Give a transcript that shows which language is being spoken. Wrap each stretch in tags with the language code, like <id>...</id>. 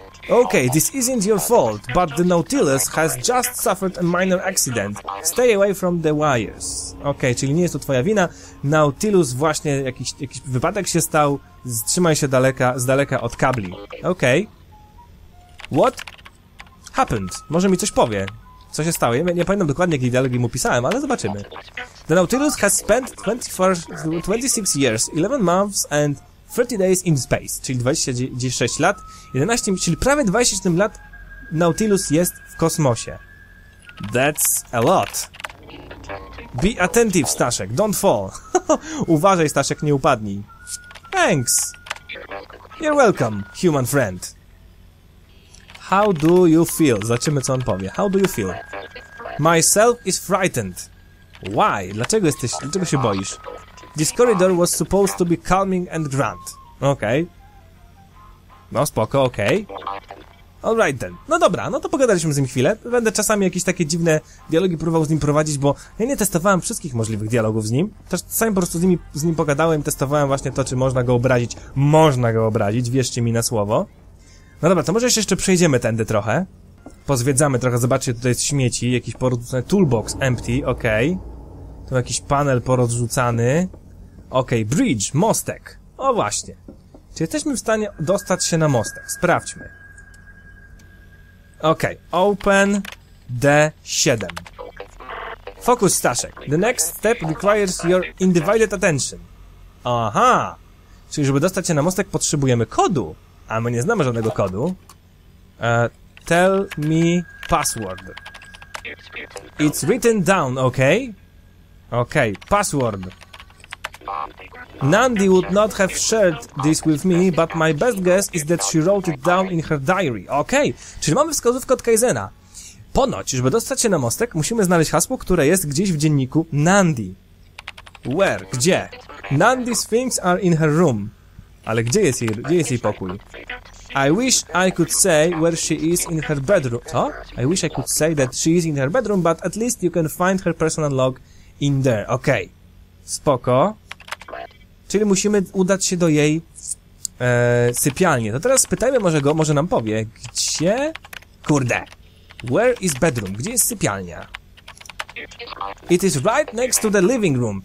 <en>Okay, this isn't your fault, but the Nautilus has just suffered a minor accident. Stay away from the wires.</en> <pl>Okay, czyli nie jest to twoja wina. Nautilus właśnie jakiś wypadek się stał. Trzymaj się z daleka od kabli.</pl> <en>Okay. What happened?</en> <pl>Może mi coś powie. Co się stało? Ja nie pamiętam dokładnie, jakiej dialogi mu pisałem, ale zobaczymy.</pl> <en>The Nautilus has spent 26 years, 11 months and 30 days in space,</en> <pl>czyli 26 lat, 11, czyli prawie 27 lat Nautilus jest w kosmosie.</pl> <en>That's a lot. Be attentive, Staszek, don't fall.</en> <pl>Uważaj, Staszek, nie upadnij.</pl> <en>Thanks. You're welcome, human friend. How do you feel?</en> <pl>Zobaczymy, co on powie.</pl> <en>How do you feel? Myself is frightened. Why?</en> <pl>Dlaczego się boisz?</pl> <en>This corridor was supposed to be calming and grand. Okej. Okay. No spoko, okej. Okay. Alright then.</en> <pl>No dobra, no to pogadaliśmy z nim chwilę. Będę czasami jakieś takie dziwne dialogi próbował z nim prowadzić, bo ja nie testowałem wszystkich możliwych dialogów z nim. Czasami po prostu z nim pogadałem, testowałem właśnie to, czy można go obrazić. Można go obrazić, wierzcie mi na słowo. No dobra, to może jeszcze przejdziemy tędy trochę. Pozwiedzamy trochę, zobaczcie, tutaj jest śmieci, jakiś porzucony toolbox empty, okej. Okay. Tu jakiś panel porozrzucany. Okej, okay, bridge, mostek. O właśnie. Czy jesteśmy w stanie dostać się na mostek? Sprawdźmy. Okej, okay, open D7. Focus, Staszek.</pl> <en>The next step requires your undivided attention. Aha.</en> <pl>Czyli żeby dostać się na mostek, potrzebujemy kodu. A my nie znamy żadnego kodu.</pl> <en>Tell me password. It's written down, okej? Okay? Okej, okay, password. Nandy would not have shared this with me, but my best guess is that she wrote it down in her diary. Okej, okay.</en> <pl>Czyli mamy wskazówkę od Kaizena. Ponoć, żeby dostać się na mostek, musimy znaleźć hasło, które jest gdzieś w dzienniku Nandy.</pl> <en>Where? Gdzie? Nandy's things are in her room.</en> <pl>Ale gdzie jest jej pokój?</pl> <en>I wish I could say where she is in her bedroom. Co? I wish I could say that she is in her bedroom, but at least you can find her personal log in there. Okej. Okay. Spoko.</en> <pl>Czyli musimy udać się do jej sypialni. To teraz spytajmy może go, może nam powie, gdzie... Kurde.</pl> <en>Where is bedroom?</en> <pl>Gdzie jest sypialnia?</pl> <en>It is right next to the living room.</en>